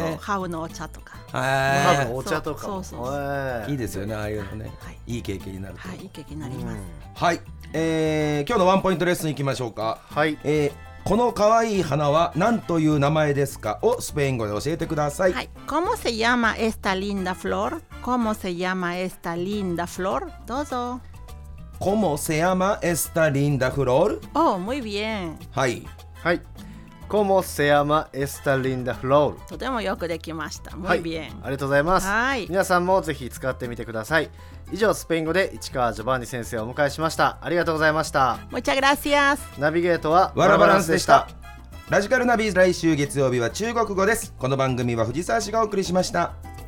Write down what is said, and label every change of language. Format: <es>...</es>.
<ja>そう、ハウのお茶とか、ハウのお茶とか、いいですよね、ああいうのね、はい、いい経験になると、はい、いい経験になります、うん、はい、今日のワンポイントレッスンいきましょうか。はい、この可愛い花は何という名前ですかをスペイン語で教えてください。</ja> <es>はい、¿Cómo se llama esta linda flor? ¿Cómo se llama esta linda flor?</es> <ja>どうぞ。</ja> <es>¿Cómo se llama esta linda flor? Oh, muy bien.</es> <ja>はい、</ja> <es>はい、¿Cómo se llama esta linda flor?</es> <ja>とてもよくできました。</ja> <es>Muy bien、</es> <ja>はい、ありがとうございます。はい、皆さんもぜひ使ってみてください。以上、スペイン語で市川ジョバンニ先生をお迎えしました。ありがとうございました。</ja> <es>Muchas gracias。</es> <ja>ナビゲートはワラバランスでした。ラジカルナビ、来週月曜日は中国語です。この番組は藤沢氏がお送りしました。</ja>